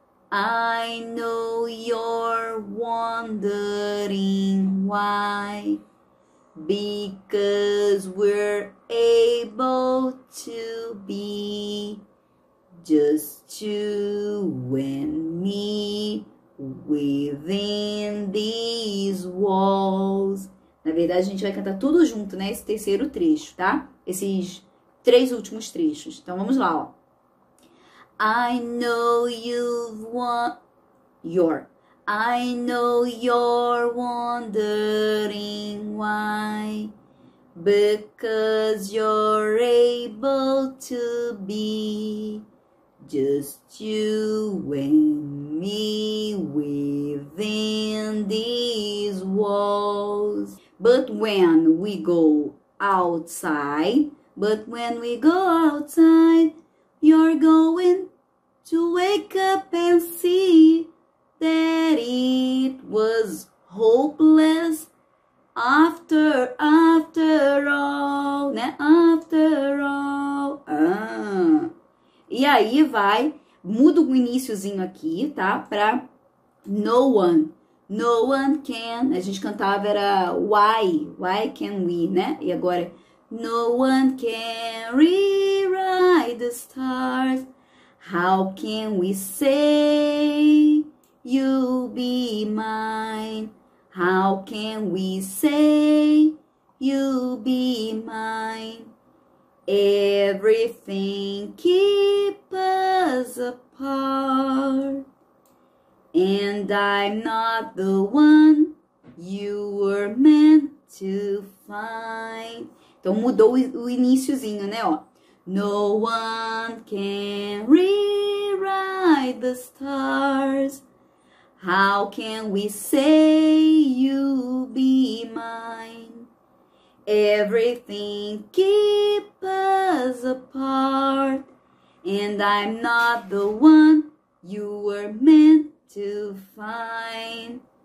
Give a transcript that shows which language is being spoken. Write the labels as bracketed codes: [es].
[en] I know you're wondering why. Because we're able to be just you and me within these walls. [pt] Na verdade, a gente vai cantar tudo junto, né? Esse terceiro trecho, tá? Esses três últimos trechos. Então vamos lá, ó. [en] I know you've want your. I know you're wondering why, because you're able to be just you and me within these walls. But when we go outside, but when we go outside, you're going to wake up and see that it was hopeless after all, né? After all. Ah. [pt] E aí vai, muda o iniciozinho aqui, tá? [en] Pra no one. No one can. [pt] A gente cantava era why. [en] Why can we, [pt] né? E agora é [en] no one can rewrite the stars. How can we say you'll be mine? How can we say you'll be mine? Everything keep us apart, and I'm not the one you were meant to find. [pt] Então mudou o iniciozinho, né? Ó. [en] No one can rewrite the stars. How can we say you'll be mine? Everything keep us apart, and I'm not the one you were meant to find.